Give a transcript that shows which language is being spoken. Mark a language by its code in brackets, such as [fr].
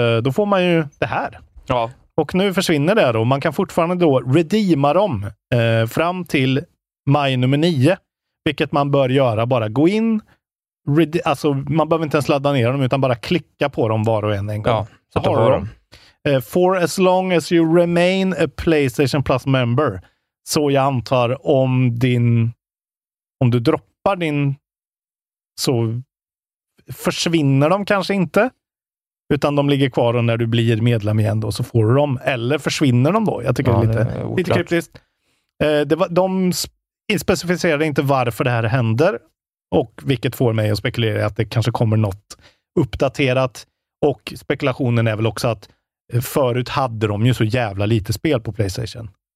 [sv] Då får man ju det här. Ja. Och nu försvinner det då. Man kan fortfarande då redeema dem fram till maj nummer 9. Vilket man bör göra, bara gå in. Alltså, man behöver inte ens ladda ner dem, utan bara klicka på dem var och en gång. Ja, så tar du dem. [en] For as long as you remain a PlayStation Plus member. [sv] Så jag antar om du droppar din, så försvinner de kanske inte, utan de ligger kvar, och när du blir medlem igen då så får du dem, eller försvinner de då? Jag tycker det är lite kryptiskt. De specificerade inte varför det här händer, och vilket får mig att spekulera att det kanske kommer något uppdaterat, och spekulationen är väl också att förut hade de ju så jävla lite spel på PlayStation.